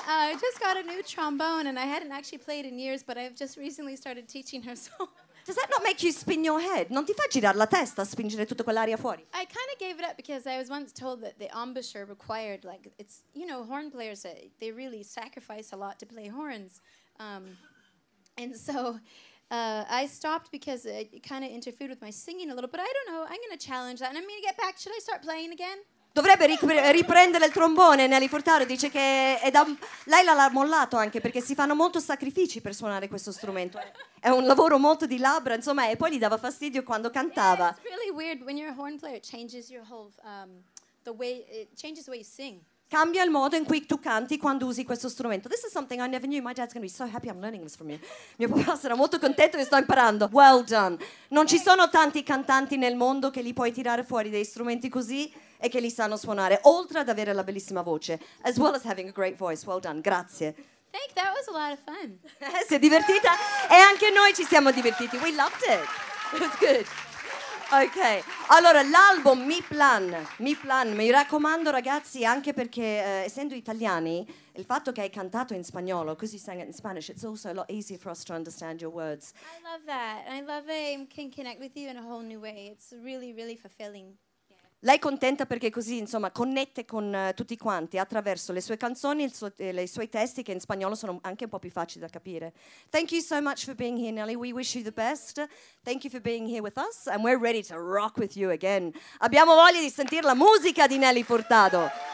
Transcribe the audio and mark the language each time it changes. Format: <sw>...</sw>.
<en>I just got a new trombone and I hadn't actually played in years, but I've just recently started teaching her. So. Does that not make you spin your head?</en> <it>Non ti fa girare la testa, spingere tutta quell'aria fuori?</it> <en>I kind of gave it up because I was once told that the embouchure required, like, it's, you know, horn players, they really sacrifice a lot to play horns. And so I stopped because it kind of interfered with my singing a little. But I don't know. I'm going to challenge that. And I'm going to get back. Should I start playing again?</en> <it>Dovrebbe riprendere il trombone. Nelly Furtado dice che lei l'ha mollato anche perché si fanno molto sacrifici per suonare questo strumento. È un lavoro molto di labbra, insomma. E poi gli dava fastidio quando cantava.</it> <en>Yeah, it's really weird when you're a horn player. It changes your whole the way. It changes the way you sing.</en> <it>Cambia il modo in cui tu canti quando usi questo strumento.</it> <en>This is something I never knew. My dad's going to be so happy I'm learning this from you.</en> <it>Mio papà sarà molto contento che sto imparando.</it> <en>Well done.</en> <it>Non ci sono tanti cantanti nel mondo che li puoi tirare fuori dei strumenti così e che li sanno suonare, oltre ad avere la bellissima voce,</it> <en>as well as having a great voice. Well done.</en> <it>Grazie.</it> <en>Thank you. That was a lot of fun.</en> <it>Si è divertita? E anche noi ci siamo divertiti.</it> <en>We loved it. It was good.</en> <it>Ok, allora l'album Mi Plan, mi raccomando ragazzi, anche perché essendo italiani, il fatto che hai cantato in spagnolo,</it> <en>because you sang it in Spanish, it's also a lot easier for us to understand your words. I love that, I love that I can connect with you in a whole new way, it's really, really fulfilling.</en> <it>Lei è contenta perché così, insomma, connette con tutti quanti attraverso le sue canzoni, i suoi testi che in spagnolo sono anche un po' più facili da capire.</it> <en>Thank you so much for being here, Nelly. We wish you the best. Thank you for being here with us and we're ready to rock with you again.</en> <it>Abbiamo voglia di sentire la musica di Nelly Furtado.</it>